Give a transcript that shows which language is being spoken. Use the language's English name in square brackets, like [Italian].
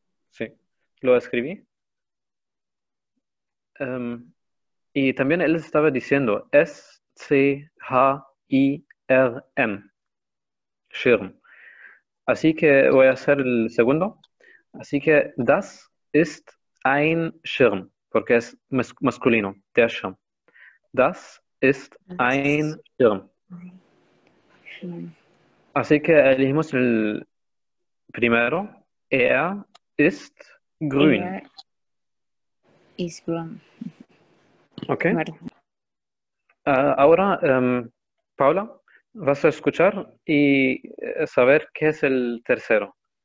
[Spanish] Sí, lo escribí. Y también él estaba diciendo S-C-H-I-R-M, Schirm. Así que voy a hacer el segundo. Así que [German] das ist ein Schirm, [Spanish] porque es masculino, der Schirm. [German] Das ist ein Schirm. [Spanish] Así que elegimos el primero. [German] Er ist grün. Er ist grün. Ok. [Spanish] Ahora, Paula, vas a escuchar y saber qué es el tercero.